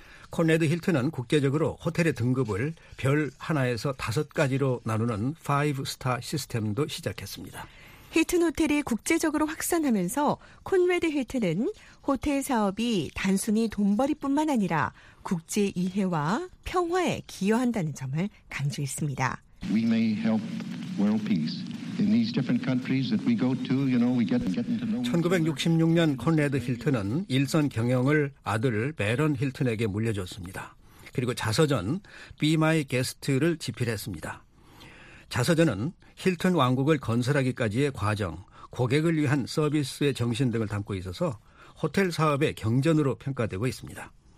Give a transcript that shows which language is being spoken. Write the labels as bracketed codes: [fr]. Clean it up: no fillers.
[ko] 콘래드 힐튼은 국제적으로 호텔의 등급을 별 하나에서 다섯 가지로 나누는 5스타 시스템도 시작했습니다. 힐튼 호텔이 국제적으로 확산하면서 콘래드 힐튼은 호텔 사업이 단순히 돈벌이뿐만 아니라 국제 이해와 평화에 기여한다는 점을 강조했습니다. [en] We may help world peace. In these different countries that we go to, you know, we get into [ko] the 1966년 콘래드 힐튼은 일선 경영을 아들 베런 힐튼에게 물려줬습니다. 그리고 자서전 Be My Guest를 집필했습니다. 자서전은 힐튼 왕국을 건설하기까지의 과정, 고객을 위한 서비스의 정신 등을 담고 있어서 호텔 사업의 경전으로 평가되고 있습니다.